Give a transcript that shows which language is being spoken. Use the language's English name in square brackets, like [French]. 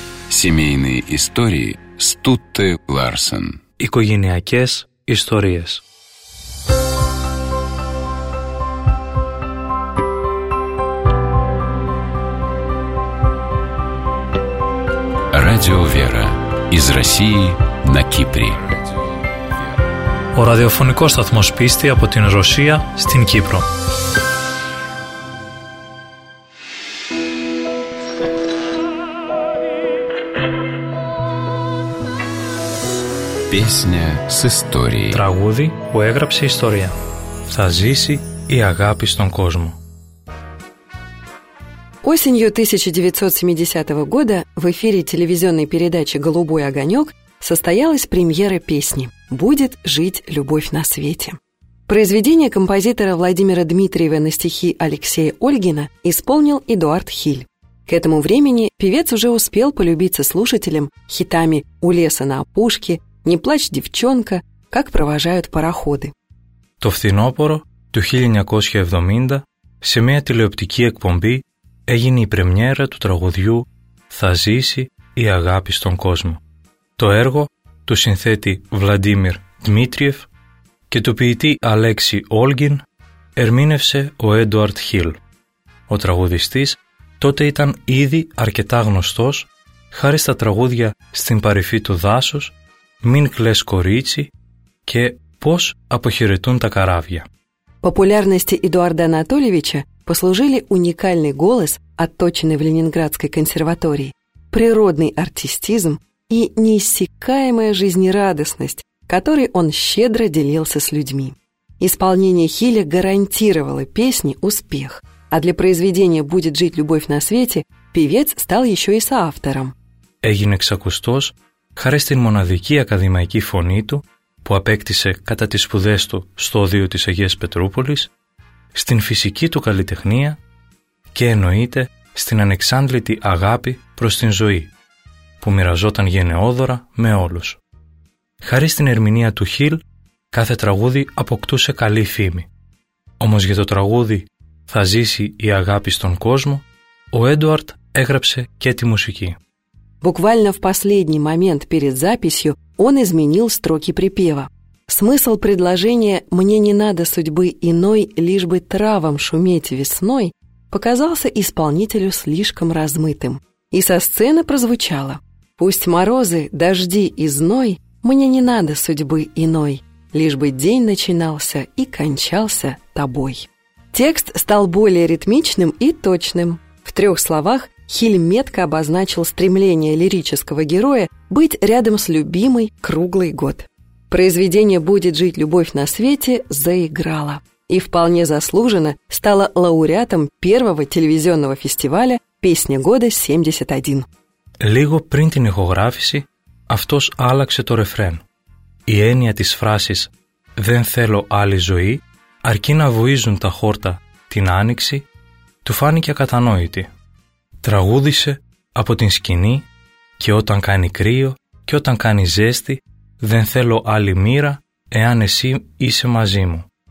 [Russian] Семейные истории Стутте Ларсен. [Greek] Οικογενειακές ιστορίες. [Russian] Радио Вера. Из России на Кипре. [Greek] Ο ραδιοφωνικός σταθμός Πίστη από την Ρωσία στην Κύπρο. [Russian] Песня с историей. [Greek] Τραγούδι που έγραψε ιστορία. Θα ζήσει η αγάπη στον κόσμο. [Russian] Осенью 1970 года в эфире телевизионной передачи «Голубой огонек» состоялась премьера песни «Будет жить любовь на свете». Произведение композитора Владимира Дмитриева на стихи Алексея Ольгина исполнил Эдуард Хиль. К этому времени певец уже успел полюбиться слушателям хитами «У леса на опушке», «Не плачь, девчонка», «Как провожают пароходы». [Greek] То фтинопоро, то 1970, се мея телеоптики экпомби, эгини премьера ту трагодию «Θα ζήσει η αγάπη στον κόσμο». Το έργο του συνθέτη Βλαντίμιρ Δημήτριεφ και του ποιητή Αλέξη Όλγιν ερμήνευσε ο Έντουαρντ Χιλ. Ο τραγουδιστής τότε ήταν ήδη αρκετά γνωστός χάρη στα τραγούδια «Στην παρυφή του δάσους», «Μην κλαις κορίτσι» και «Πώς αποχαιρετούν τα καράβια». [Russian] Популярности Эдуарда Анатольевича послужили уникальный голос, отточенный в Ленинградской консерватории, природный артистизм и неиссякаемая жизнерадостность, которой он щедро делился с людьми. Исполнение Хиля гарантировало песне успех, а для произведения «Будет жить любовь на свете» певец стал еще и соавтором. [Greek] Έγινε ξακουστός χάρη στην μοναδική ακαδημαϊκή φωνή του που απέκτησε κατά τις σπουδές του στο Οδείο της Αγίας Πετρούπολης, στην φυσική του καλλιτεχνία και εννοείται στην ανεξάντλητη αγάπη προς την ζωή, που μοιραζόταν γενναιόδωρα με όλους. Χάρη στην ερμηνεία του Χιλ, κάθε τραγούδι αποκτούσε καλή φήμη. Όμως για το τραγούδι «Θα ζήσει η αγάπη στον κόσμο», ο Έντουαρντ έγραψε και τη μουσική. [Russian] Буквально в последний момент перед записью он изменил строки припева. Смысл предложения «Мне не надо судьбы иной, лишь бы травам шуметь весной» показался исполнителю слишком размытым. И со сцены прозвучало: «Пусть морозы, дожди и зной, мне не надо судьбы иной, лишь бы день начинался и кончался тобой». Текст стал более ритмичным и точным. В трех словах Хиль метко обозначил стремление лирического героя быть рядом с любимой круглый год. Произведение «Будет жить любовь на свете» заиграло и вполне заслуженно стало лауреатом первого телевизионного фестиваля «Песня года 71». [Greek] Λίγο πριν την ηχογράφηση, αυτός άλλαξε το ρεφρέν. Η έννοια της φράσης «Δεν θέλω άλλη ζωή» αρκεί να βουίζουν τα χόρτα την άνοιξη, του φάνηκε ακατανόητη. Τραγούδησε από την σκηνή «Και όταν κάνει κρύο και όταν κάνει ζέστη, δεν θέλω άλλη μοίρα εάν εσύ είσαι μαζί μου».